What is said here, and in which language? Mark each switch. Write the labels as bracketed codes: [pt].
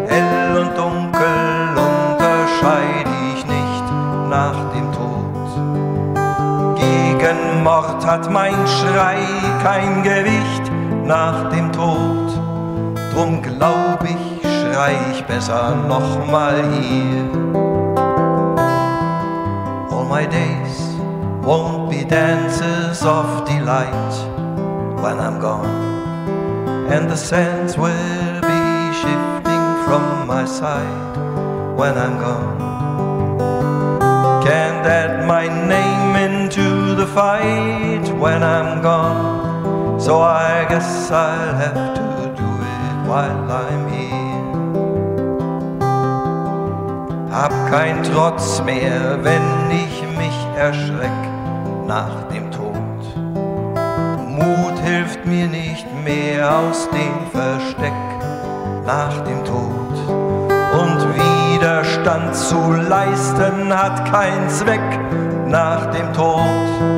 [de] Hell und dunkel unterscheid ich nicht nach dem Tod. Gegen Mord hat mein Schrei kein Gewicht nach dem Tod. Drum glaub ich, schrei ich besser nochmal hier. [en] All my days won't be dances of delight when I'm gone, and the sands will be shifting from my side when I'm gone. Can't add my name into the fight when I'm gone, so I guess I'll have to do it while I'm here. [de] Hab kein Trotz mehr, wenn ich mich erschreck nach dem Tod. Mut hilft mir nicht mehr aus dem Versteck nach dem Tod. Und Widerstand zu leisten hat keinen Zweck nach dem Tod.